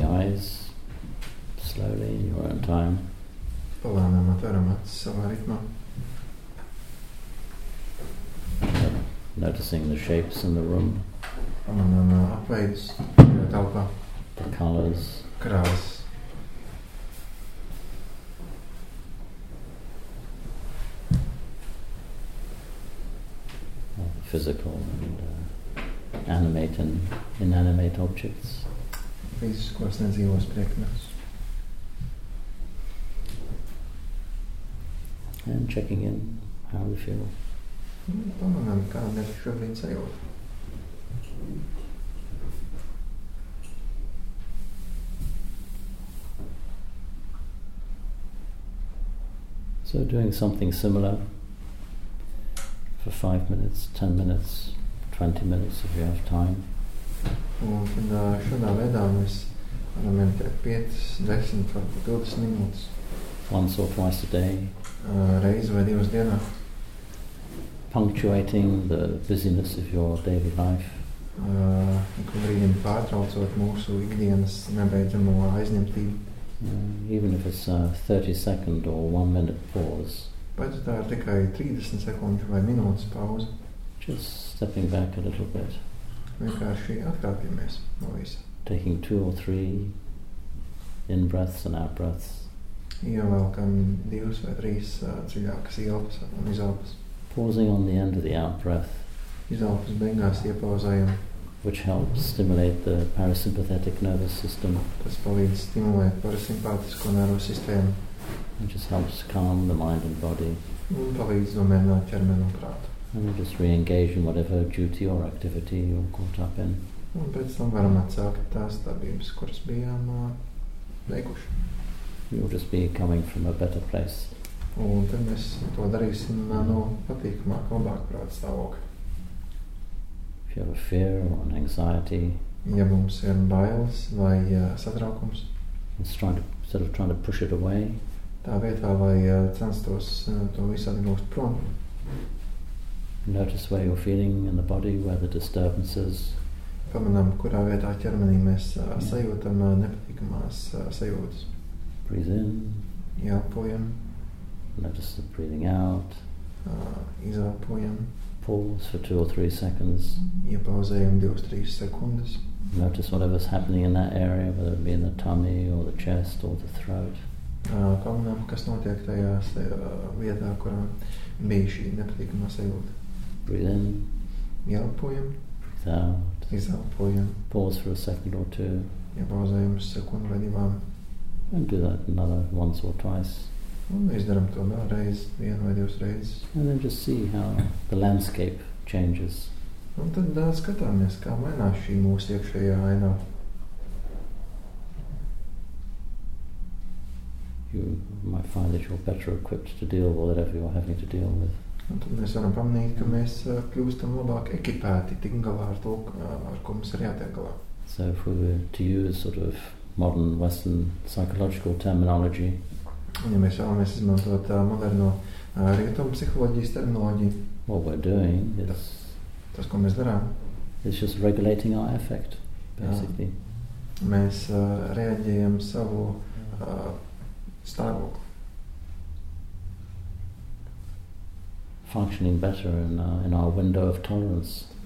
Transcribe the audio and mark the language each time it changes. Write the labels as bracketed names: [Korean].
[English] eyes slowly in your own time. [Latvian] Palānām atveram acis savā ritmā. [English] Noticing the shapes in the room. [Latvian] Pamanām apveidus telpā. [English] The colors. [Latvian] Krāsas. [English] Physical and animate and inanimate objects. [Latvian] Fiziskos nedzīvos priekšmetus. [English] And checking in how we feel. [Latvian] Pamanām, kā mēs šobrīd sajūtam. [English] So doing something similar for 5 minutes, 10 minutes, 20 minutes if you have time. [Latvian] Un šādā veidā mēs varam vienkārši 5, 10 vai 20 minūtes. [English] Once or twice a day. [Latvian] Reizi vai divas dienā. [English] Punctuating the busyness of your daily life. [Latvian] Kurīdien pārtraucot mūsu ikdienas nebeidzamo aizņemtību. [English] Even if it's a 30 second or 1 minute pause. [Latvian] Bet tā ir tikai 30 sekundi vai minūtes pauze. [English] Just stepping back a little bit. [Latvian] Vienkārši atkāpjamies no visa. [English] Taking 2 or 3 in-breaths and out-breaths. [Latvian] Ievelkam 2 vai 3 dziļākas ielpas un izelpas. [English] Pausing on the end of the out-breath. [Latvian] Izelpas beigās iepauzējam. [English] Which helps stimulate the parasympathetic nervous system. [Latvian] Tas palīdz stimulēt parasimpātisko nervu sistēmu. [English] It just helps calm the mind and body. [Latvian] Palīdz nomierināt ķermeni un prātu. [English] And we just re-engage in whatever duty or activity you're caught up in. [Latvian] Un pēc tam varam atsākt tās darbības, kuras bijām veikuši. [English] You'll just be coming from a better place. [Latvian] Un tad mēs to darīsim no patīkamāk, labāk prāta stāvokļa. [English] If you have a fear or an anxiety. [Latvian] Ja mums ir bailes vai satraukums. [English] Instead of trying to push it away. [Latvian] Tā vietā, vai censtos to visu atgūst prom. [English] Notice where you're feeling in the body, where the disturbances. [Latvian] Pamanām, kurā vietā ķermenī mēs sajūtam nepatīkamās sajūtas. [English] Breathe in. [Latvian] Ieelpojam. [English] Notice the breathing out. [Latvian] Izelpojam. [English] Pause for 2 or 3 seconds. [Latvian] Iepauzējam 2-3 sekundes. [English] Notice whatever's happening in that area, whether it be in the tummy or the chest or the throat. [Latvian] Pamanām, kas notiek tajās vietā, kurā bija šī nepatīkamā sajūta. [English] Breathe in. [Latvian] Ielpojam. [English] Breathe out. [Latvian] Izelpojam. [English] Pause for a second or two. [Latvian] Iepauzējam sekundu vai divām. [English] And do that another once or twice. [Latvian] Un izdaram to vēlreiz, vienu vai divas reizes. [English] And then just see how the landscape changes. [Latvian] Un tad skatāmies, kā mainās šī mūsu iekšējā ainā. [English] You might find that you're better equipped to deal with whatever you're having to deal with. [Latvian] Un tad mēs varam pamanīt, ka mēs kļūstam labāk ekipēti, tik galā ar to, ar ko mums ir jātiek galā. [English] So if we were to use sort of modern Western psychological terminology. [Latvian] Ja mēs vēlamies izmantot moderno rietumu psiholoģijas terminoloģiju. [English] What we're doing is [Latvian] tas, ko mēs darām. [English] It's just regulating our affect, basically. [Latvian] Jā. Mēs reaģējam savu stāvokli. [English] Functioning better in our window of tolerance.